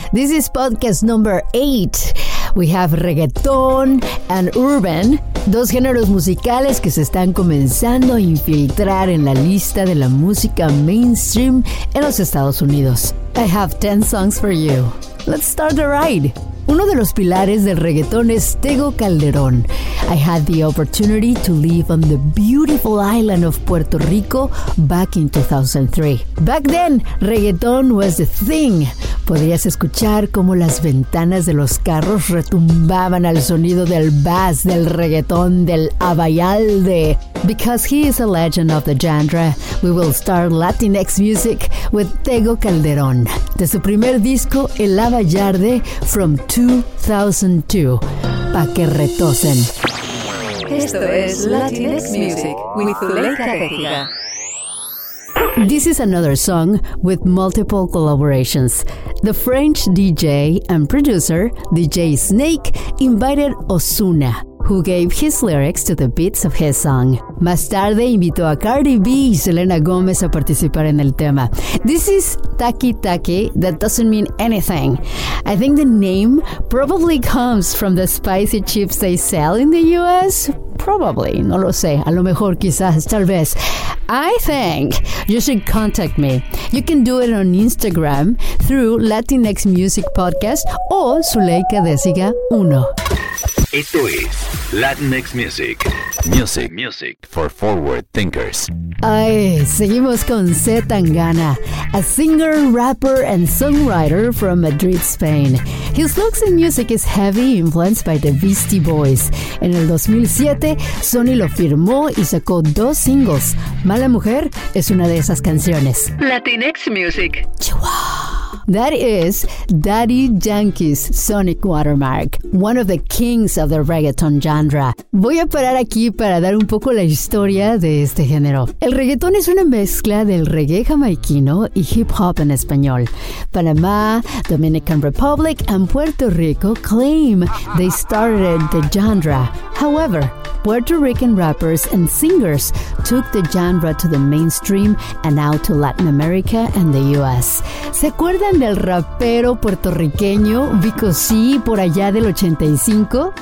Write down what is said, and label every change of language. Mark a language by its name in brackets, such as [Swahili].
[English] This is podcast number 8. We have reggaeton and urban, [Spanish] dos géneros musicales que se están comenzando a infiltrar en la lista de la música mainstream en los Estados Unidos. [English] I have 10 songs for you. Let's start the ride. [Spanish] Uno de los pilares del reggaeton es Tego Calderón. [English] I had the opportunity to live on the beautiful island of Puerto Rico back in 2003. Back then, reggaeton was the thing. [Spanish] Podrías escuchar cómo las ventanas de los carros retumbaban al sonido del bass del reggaeton del Abayalde. [English] Because he is a legend of the genre, we will start Latinx music with Tego Calderón. [Spanish] De su primer disco, El Abayalde, [English] from 2002. [Spanish] Pa' que retosen. Esto es Latinx Music with Zuleika Vega. [English] This is another song with multiple collaborations. The French DJ and producer, DJ Snake, invited Ozuna, who gave his lyrics to the beats of his song. Más tarde, invitó a Cardi B y Selena Gomez a participar en el tema. This is Taki Taki, that doesn't mean anything. I think the name probably comes from the spicy chips they sell in the US. Probably, [Spanish] no lo sé, a lo mejor, quizás, tal vez. [English] I think you should contact me. You can do it on Instagram through Latinx Music Podcast or Zuleika de Siga 1. [Spanish] Esto es [English] Latinx Music. Music for forward thinkers. [Spanish] Ay, seguimos con C. [English] Tangana, a singer, rapper, and songwriter from Madrid, Spain. His looks and music is heavy influenced by the Beastie Boys. [Spanish] En el 2007, Sony lo firmó y sacó dos singles. Mala Mujer es una de esas canciones. Latinx Music. [English] That is Daddy Yankee's Sonic Watermark, one of the kings of the reggaeton genre. [Spanish] Voy a parar aquí para dar un poco la historia de este género. El reggaeton es una mezcla del reggae jamaiquino y hip hop en español. [English] Panamá, Dominican Republic, and Puerto Rico claim they started the genre. However, Puerto Rican rappers and singers took the genre to the mainstream and out to Latin America and the US. [Spanish] ¿Se acuerdan del rapero puertorriqueño Vico C por allá del 85?